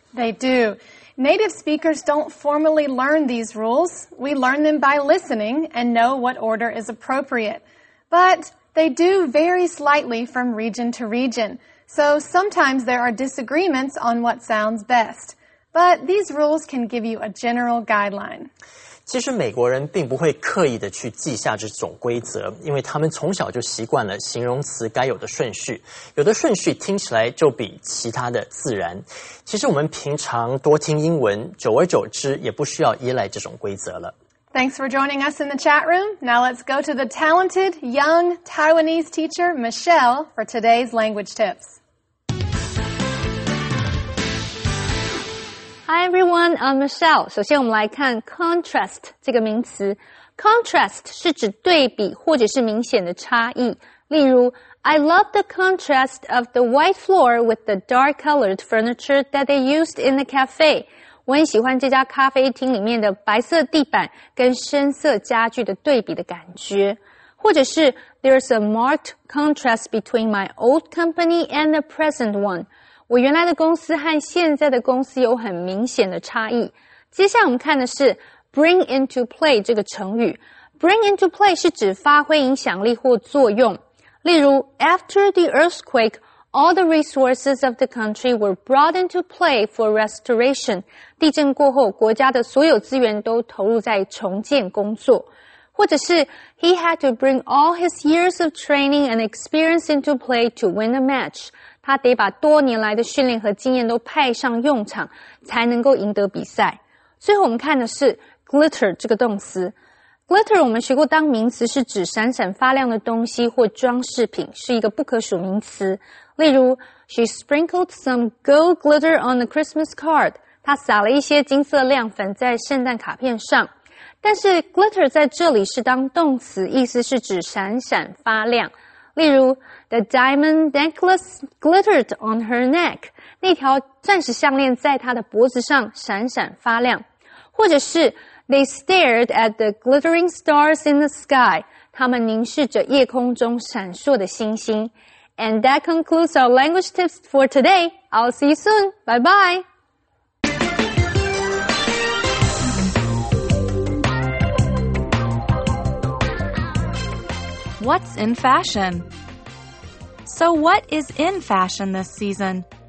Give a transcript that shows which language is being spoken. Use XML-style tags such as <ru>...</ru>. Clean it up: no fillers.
<en>They do. Native speakers don't formally learn these rules. We learn them by listening and know what order is appropriate. But they do vary slightly from region to region. So sometimes there are disagreements on what sounds best. But these rules can give you a general guideline.</en> <zh>其实美国人并不会刻意的去记下这种规则，因为他们从小就习惯了形容词该有的顺序，有的顺序听起来就比其他的自然。其实我们平常多听英文，久而久之也不需要依赖这种规则了。</zh> <en>Thanks for joining us in the chat room. Now let's go to the talented young Taiwanese teacher Michelle for today's language tips. Hi everyone, I'm Michelle.</en> <zh>首先我们来看 contrast 这个名词。 Contrast 是指对比或者是明显的差异。例如</zh> <en>I love the contrast of the white floor with the dark colored furniture that they used in the cafe.</en> <zh>我很喜欢这家咖啡厅里面的白色地板跟深色家具的对比的感觉。或者是</zh> <en>There's a marked contrast between my old company and the present one.</en> <zh>我原来的公司和现在的公司有很明显的差异。接下来我们看的是 bring into play 这个成语。 bring into play 是指发挥影响力或作用。例如</zh> <en>after the earthquake, all the resources of the country were brought into play for restoration.</en> <zh>地震过后国家的所有资源都投入在重建工作。或者是</zh> <en>he had to bring all his years of training and experience into play to win a match.</en> <zh>他得把多年来的训练和经验都派上用场才能够赢得比赛。最后我们看的是 glitter 这个动词。glitter 我们学过当名词是指闪闪发亮的东西或装饰品，是一个不可数名词。例如</zh> <en>She sprinkled some gold glitter on the Christmas card.</en> <zh>她撒了一些金色亮粉在圣诞卡片上。但是 glitter 在这里是当动词，意思是指闪闪发亮。例如</zh> <en>The diamond necklace glittered on her neck.</en> <zh>那条钻石项链在她的脖子上闪闪发亮。或者是</zh> <en>They stared at the glittering stars in the sky.</en> <zh>他们凝视着夜空中闪烁的星星。</zh> <en>And that concludes our language tips for today. I'll see you soon. Bye bye. What's in fashion? So what is in fashion this season?</en>